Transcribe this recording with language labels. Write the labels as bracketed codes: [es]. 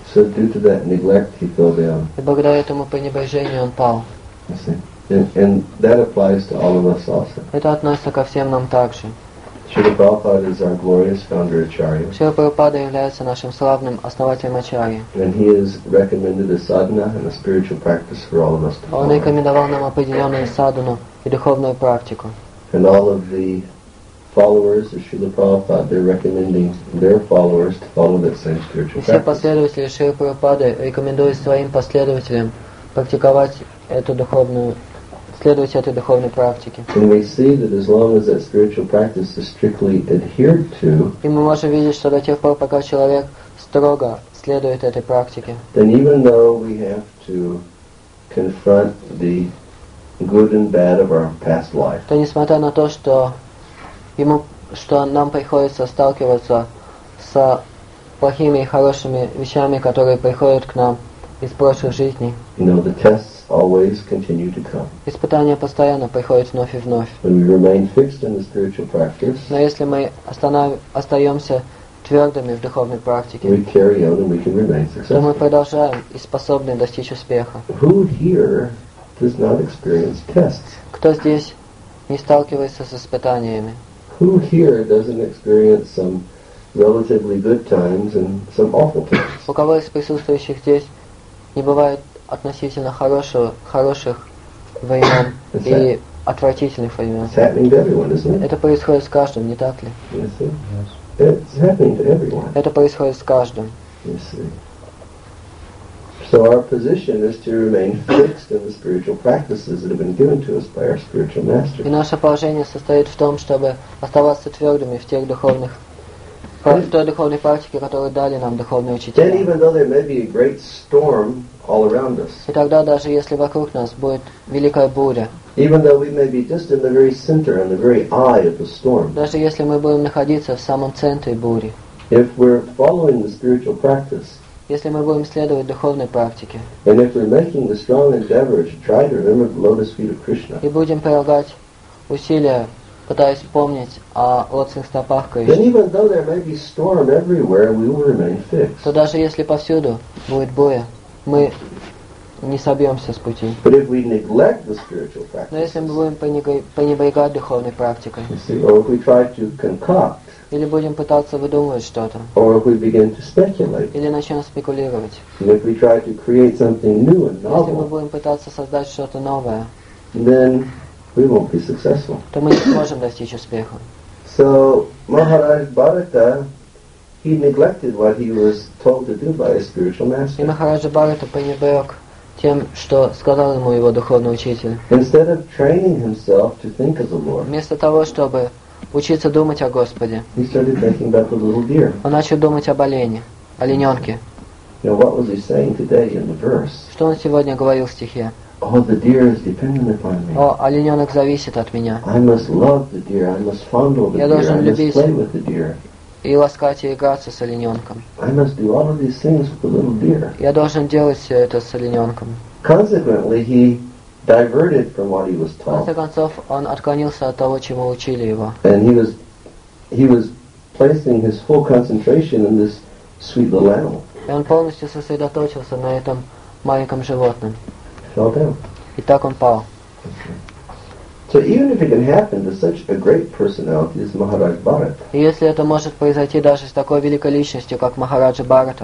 [en] So due to that neglect, he fell down. [ru] И благодаря этому пренебрежению он пал. [en] And that applies to all of us also. [ru] Это относится ко всем нам также. [en] Srila Prabhupada is our glorious founder acharya. [ru] Srila Prabhupada является нашим славным основателем ачарьи. [en] And he has recommended a sadhana and a spiritual practice for all of us to follow. [ru] Он рекомендовал нам определенную садхану и духовную практику. [en] And all of the followers of Srila Prabhupada, they're recommending their followers to follow that same spiritual practice. [ru] И все последователи Srila Prabhupada рекомендуют своим последователям практиковать эту духовную, следовать этой духовной практике. [en] And we see that as long as that spiritual practice is strictly adhered to, [ru] и мы можем видеть, что до тех пор, пока человек строго следует этой практике, [en] then even though we have to confront the good and bad of our past life, [ru] то несмотря на то, что ему, что нам приходится сталкиваться с плохими и хорошими вещами, которые приходят к нам из прошлых жизней, [en] you know, the tests always continue to come. [ru] Испытания постоянно приходят вновь и вновь. [en] When we remain fixed in the spiritual practice, [ru] но если мы остаемся твердыми в духовной практике, [en] we carry on and we can remain successful. [ru] То мы продолжаем и способны достичь успеха. [en] Who here does not experience tests? [ru] Кто здесь не сталкивается с испытаниями? [en] Who here doesn't experience some relatively good times and some awful times? [ru] У кого из присутствующих здесь не бывает относительно хороших времен и отвратительных времен? Это происходит с каждым, не так ли? [en] It's happening to everyone. [ru] Это происходит с каждым. [en] So our position is to remain fixed in the spiritual practices that have been given to us by our spiritual master. [ru] И наше положение состоит в том, чтобы оставаться твердыми в тех духовных, в той духовной практике, которую дали нам духовные учителя. [en] Then even though there may be a great storm all around us, [ru] и тогда даже если вокруг нас будет великая буря, [en] even though we may be just in the very center, in the very eye of the storm, [ru] даже если мы будем находиться в самом центре бури, [en] if we're following the spiritual practice, [ru] если мы будем следовать духовной практике, [en] and if we're making the strong endeavor to try to remember the lotus feet of Krishna, [ru] и будем прилагать усилия, пытаясь вспомнить о лотосных стопах Кришны, то даже если повсюду будет буря, мы не собьемся с пути. [en] But if we neglect the spiritual practices, [ru] но если мы будем пренебрегать духовной практикой, [en] you see, or if we try to concoct, [ru] или будем пытаться выдумывать что-то, [en] or if we begin to speculate, [ru] или начнем спекулировать, [en] and if we try to create something new and novel, [ru] если мы будем пытаться создать что-то новое, [en] then we won't be successful. [ru] То мы не сможем достичь успеха. [en] So Maharaj Bharata, he neglected what he was told to do by his spiritual master. [ru] И Махараджа Бхарата пренебрег тем, что сказал ему его духовный учитель. [en] Instead of training himself to think of the Lord, [ru] вместо того, чтобы учиться думать о Господе, [en] he started thinking about the little deer. [ru] Он начал думать об олене, олененке. [en] Now, what was he saying today in the verse? [ru] Что он сегодня говорил в стихе? [en] Oh, the deer is dependent upon me. [ru] О, олененок зависит от меня. [en] I must love the deer. I must fondle the [ru] Я [en] deer. [ru] Должен [en] I [ru] любить [en] must play with the deer. [ru] И ласкать и играться с олененком. [en] I must do all of these things with the little deer. [ru] Я должен делать все это с олененком. [en] Consequently, he diverted from what he was taught. [ru] В конце концов, он отклонился от того, чему учили его. [en] And he was placing his full concentration in this sweet little animal. [ru] И он полностью сосредоточился на этом маленьком животном. [en] Fell down. [ru] И так он пал. [en] So even if it can happen to such a great personality as Maharaj Bharat, [ru] и если это может произойти даже с такой великой личностью, как Махараджа Бхарата,